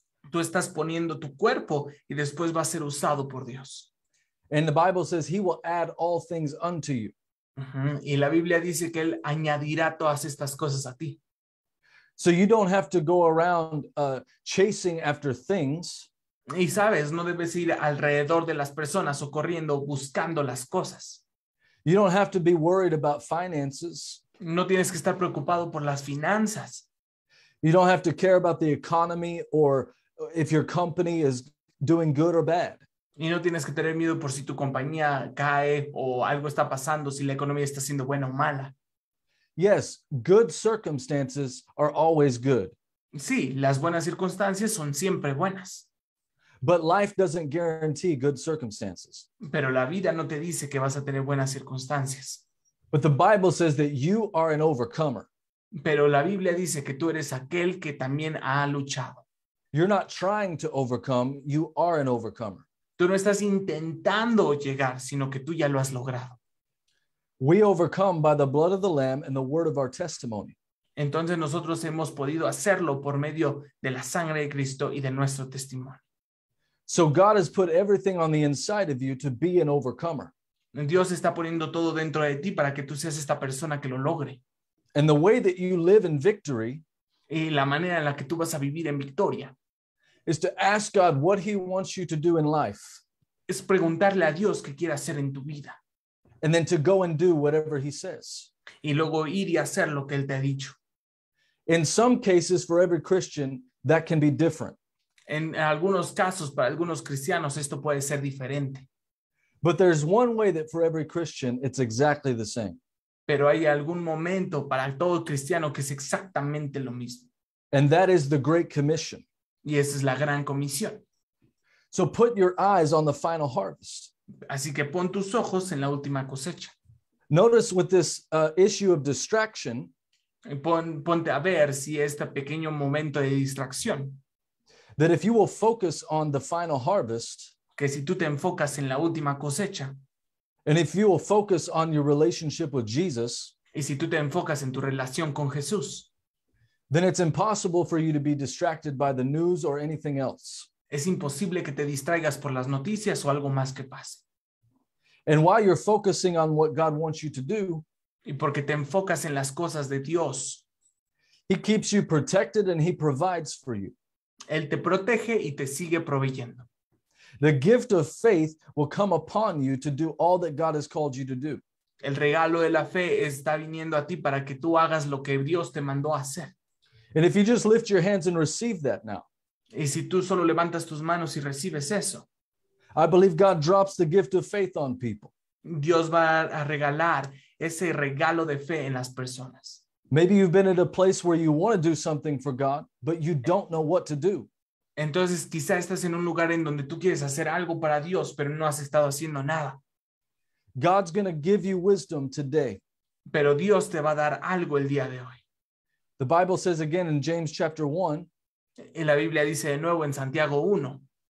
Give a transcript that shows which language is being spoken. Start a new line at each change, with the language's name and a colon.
Spanish: Tú estás poniendo tu cuerpo y después va a ser usado por Dios.
English: And the Bible says he will add all things unto you. Uh-huh.
Spanish: Y la Biblia dice que él añadirá todas estas cosas a ti.
English: So you don't have to go around chasing after things.
Spanish: Y sabes, no debes ir alrededor de las personas o corriendo buscando las cosas.
English: You don't have to be worried about finances.
Spanish: No tienes que estar preocupado por las finanzas.
English: You don't have to care about the economy or if your company is doing good or bad.
Spanish: Y no tienes que tener miedo por si tu compañía cae o algo está pasando, si la economía está siendo buena o mala.
English: Yes, good circumstances are always good.
Spanish: Sí, las buenas circunstancias son siempre buenas.
English: But life doesn't guarantee good circumstances.
Spanish: Pero la vida no te dice que vas a tener buenas circunstancias.
English: But the Bible says that you are an overcomer.
Spanish: Pero la Biblia dice que tú eres aquel que también ha luchado.
English: You're not trying to overcome, you are an overcomer.
Spanish: Tú no estás intentando llegar, sino que tú ya lo has logrado.
English: We overcome by the blood of the Lamb and the word of our testimony.
Spanish: Entonces nosotros hemos podido hacerlo por medio de la sangre de Cristo y de nuestro testimonio.
English: So God has put everything on the inside of you to be an overcomer.
Spanish: Dios está poniendo todo dentro de ti para que tú seas esta persona que lo logre.
English: And the way that you live in victory,
Spanish: y la manera en la que tú vas a vivir en victoria,
English: is to ask God what he wants you to do in life.
Spanish: Es preguntarle a Dios qué quiere hacer en tu vida.
English: And then to go and do whatever he says.
Spanish: Y luego ir y hacer lo que él te ha dicho.
English: In some cases, for every Christian, that can be different.
Spanish: En algunos casos, para algunos cristianos, esto puede ser diferente.
English: But there's one way that for every Christian, it's exactly the same.
Spanish: Pero hay algún momento para todo cristiano que es exactamente lo mismo.
English: And that is the Great Commission.
Spanish: Y esa es la gran comisión.
English: So put your eyes on the final harvest.
Spanish: Así que pon tus ojos en la última cosecha.
English: Notice with this issue of distraction.
Spanish: Ponte a ver si este pequeño momento de distracción.
English: That if you will focus on the final harvest.
Spanish: Que si tú te enfocas en la última cosecha.
English: And if you will focus on your relationship with Jesus.
Spanish: Y si tú te enfocas en tu relación con Jesús.
English: Then it's impossible for you to be distracted by the news or anything else.
Spanish: Es imposible que te distraigas por las noticias o algo más que pase.
English: And while you're focusing on what God wants you to do.
Spanish: Y porque te enfocas en las cosas de Dios.
English: He keeps you protected and he provides for you.
Spanish: Él te protege y te sigue proveyendo.
English: The gift of faith will come upon you to do all that God has called you to do.
Spanish: El regalo de la fe está viniendo a ti para que tú hagas lo que Dios te mandó a hacer.
English: And if you just lift your hands and receive that now.
Spanish: Y si tú solo levantas tus manos y recibes eso.
English: I believe God drops the gift of faith on people.
Spanish: Dios va a regalar ese regalo de fe en las personas.
English: Maybe you've been at a place where you want to do something for God, but you don't know what to do.
Spanish: Entonces, quizá estás en un lugar en donde tú quieres hacer algo para Dios, pero no has estado haciendo nada.
English: God's going to give you wisdom today.
Spanish: Pero Dios te va a dar algo el día de hoy.
English: The Bible says again in James chapter 1.
Spanish: Y la Biblia dice de nuevo en Santiago 1.